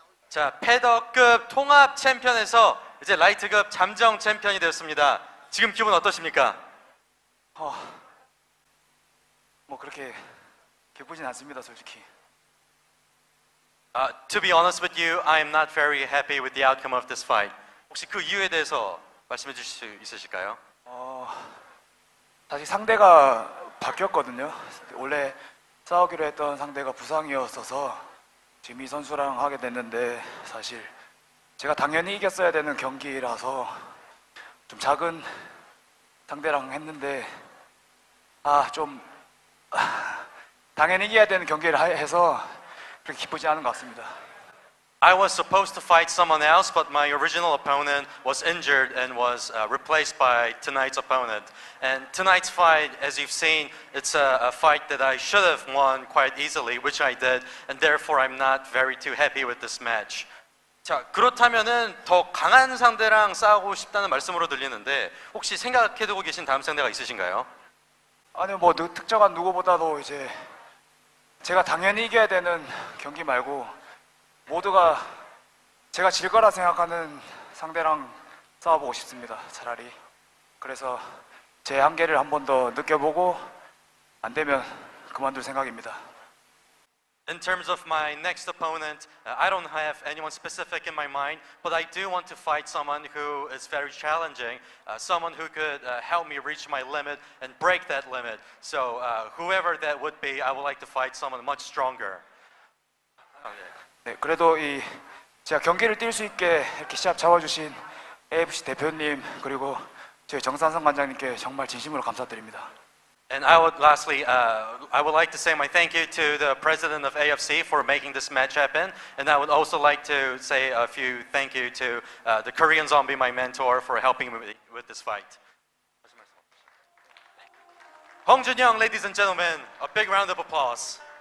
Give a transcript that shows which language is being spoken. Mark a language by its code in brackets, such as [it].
[en] So, [ko] 패더급 통합 챔피언에서 이제 라이트급 잠정 챔피언이 되었습니다. 지금 기분 어떠십니까? 뭐 그렇게 기쁘진 않습니다, 솔직히. [en] To be honest with you, I am not very happy with the outcome of this fight. [ko] 혹시 그 이유에 대해서 말씀해 주실 수 있으실까요? 사실 상대가 바뀌었거든요. 원래 싸우기로 했던 상대가 부상이었어서 지미 선수랑 하게 됐는데 사실 제가 당연히 이겼어야 되는 경기라서 좀 작은 상대랑 했는데 당연히 이겨야 되는 경기를 해서 그렇게 기쁘지 않은 것 같습니다. [en] I was supposed to fight someone else, but my original opponent was injured and was replaced by tonight's opponent. And tonight's fight, as you've seen, it's a fight that I should have won quite easily, which I did, and therefore I'm not very too happy with this match. [ko] 자, 그렇다면은 더 강한 상대랑 싸우고 싶다는 말씀으로 들리는데 혹시 생각해 두고 계신 다음 상대가 있으신가요? 아니 뭐 특정한 누구보다도 이제 제가 당연히 이겨야 되는 경기 말고 모두가 제가 질 거라 생각하는 상대랑 싸워보고 싶습니다. 차라리 그래서 제 한계를 한 번 더 느껴보고 안 되면 그만둘 생각입니다. [en] In terms of my next opponent, I don't have anyone specific in my mind, but I do want to fight someone who is very challenging, someone who could help me reach my limit and break that limit. So whoever that would be, I would like to fight someone much stronger. Okay. [ko] 네, 그래도 이 제가 경기를 뛸 수 있게 이렇게 시합 잡아주신 AFC 대표님 그리고 저희 정산성 관장님께 정말 진심으로 감사드립니다. [en] And I would lastly, I would like to say my thank you to the president of AFC for making this match happen. And I would also like to say a few thank you to the Korean Zombie, my mentor, for helping me with this fight. 홍준영, ladies and gentlemen, a big round of applause.